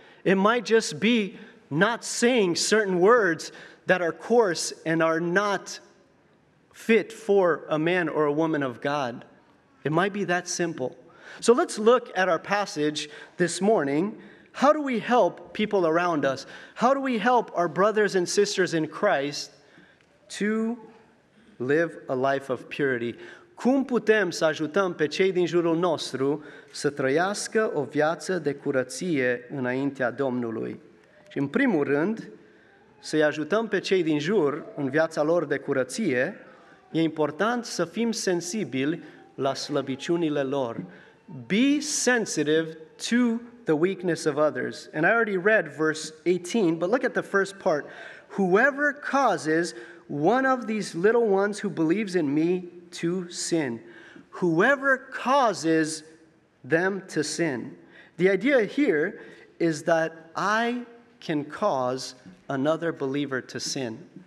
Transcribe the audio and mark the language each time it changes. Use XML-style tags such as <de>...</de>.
<en>It might just be not saying certain words that are coarse and are not fit for a man or a woman of God. It might be that simple. So let's look at our passage this morning. How do we help people around us? How do we help our brothers and sisters in Christ to live a life of purity?</en> <ro>Cum putem să ajutăm pe cei din jurul nostru să trăiască o viață de curăție înaintea Domnului? Și în primul rând, să-i ajutăm pe cei din jur în viața lor de curăție, e important să fim sensibili la slăbiciunile lor.</ro> <en>Be sensitive to the weakness of others. And I already read verse 18, but look at the first part. Whoever causes one of these little ones who believes in me to sin. Whoever causes them to sin. The idea here is that I can cause another believer to sin.</en>